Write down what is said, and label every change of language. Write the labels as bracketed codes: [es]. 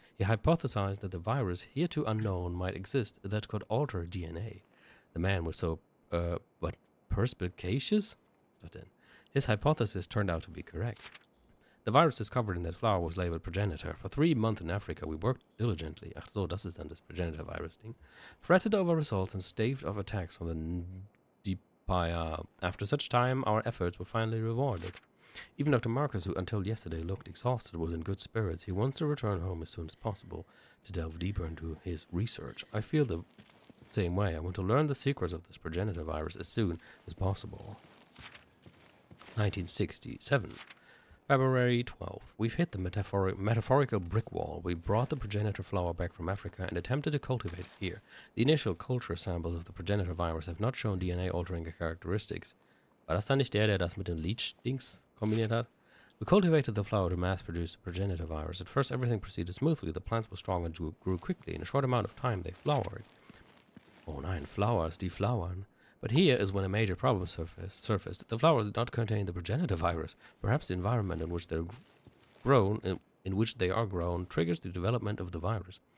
[en] He hypothesized that the virus, hereto unknown, might exist that could alter DNA. The man was so, perspicacious? His hypothesis turned out to be correct. The virus discovered in that flower was labeled progenitor. For 3 months in Africa, we worked diligently. [de] Ach so, das ist dann das progenitor virus Ding. [en] Fretted over results and staved off attacks from the Ndipaya. After such time, our efforts were finally rewarded. Even Dr. Marcus, who until yesterday looked exhausted, was in good spirits. He wants to return home as soon as possible to delve deeper into his research. I feel the same way. I want to learn the secrets of this progenitor virus as soon as possible. 1967. February 12th. We've hit the metaphorical brick wall. We brought the progenitor flower back from Africa and attempted to cultivate it here. The initial culture samples of the progenitor virus have not shown DNA-altering characteristics. [de] War das dann nicht der, der das mit den Leech-Dings kombiniert hat? [en] We cultivated the flower to mass-produce the progenitor virus. At first, everything proceeded smoothly. The plants were strong and grew quickly. In a short amount of time, they flowered. [de] Oh nein, flowers, die flowern. [en] But here is when a major problem surfaced. The flower did not contain the progenitor virus. Perhaps the environment in which they're grown, in which they are grown, triggers the development of the virus.